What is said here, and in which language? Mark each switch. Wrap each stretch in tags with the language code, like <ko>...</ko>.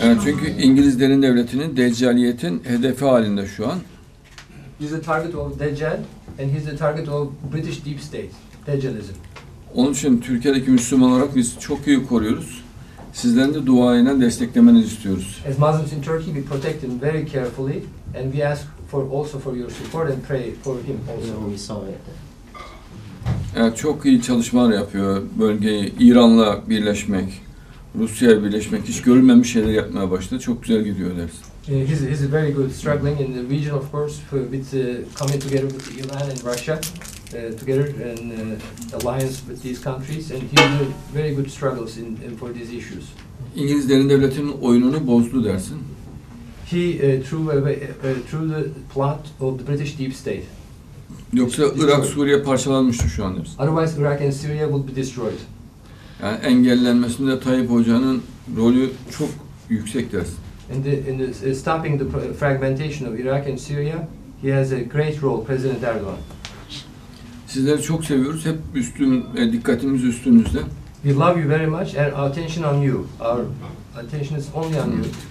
<tr>Evet, çünkü İngiliz derin devletinin deccaliyetin hedefi halinde şu an.</tr> <en>He's the target of Deccal and he's the target of British deep state, Deccalism.</en> <tr>Onun için Türkiye'deki Müslüman olarak biz çok iyi koruyoruz. Sizden de duayla desteklemenizi istiyoruz.</tr> <en>As Muslims in Turkey, we protect him very carefully and we ask for also for your support and pray for him also.</en> <tr>Evet, çok iyi çalışmalar yapıyor bölgeyi. İran'la birleşmek, Rusya'ya birleşmek, hiç görülmemiş şeyler yapmaya başladı. Çok güzel gidiyor deriz.</tr> <en>He's very good struggling in the region of course for with coming together with Iran and Russia together and alliance with these countries and he's doing very good struggles in for these issues.</en> <tr>İngiliz derin devletinin oyununu bozdu dersin.</tr> <en>He threw the plot of the British deep state.</en> <tr>Yoksa Irak, Suriye parçalanmıştı şu an deriz.</tr> <en>Otherwise Iraq and Syria would be destroyed.</en> <tr>Yani engellenmesinde Tayyip Hoca'nın rolü çok yüksek deriz.</tr> <en>In the stopping the fragmentation of Iraq and Syria, he has a great role, President Erdoğan.</en> <tr>Sizleri çok seviyoruz. Hep dikkatimiz üstünüzde.</tr> <en>We love you very much and our attention on you. Our attention is only on you.</en>